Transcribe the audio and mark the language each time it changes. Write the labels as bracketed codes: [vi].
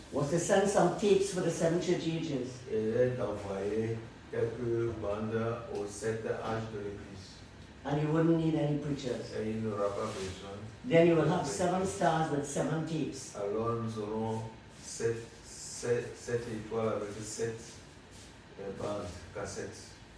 [en] Was to send some tapes for the seven church ages. [fr] Et d'envoyer quelques bandes aux sept âges de l'Église. [en] And you wouldn't need any preachers. [fr] Et il n'aura pas besoin. [en] Then you will have seven stars with seven tapes. [fr] Alors nous aurons sept étoiles avec sept bandes, cassettes.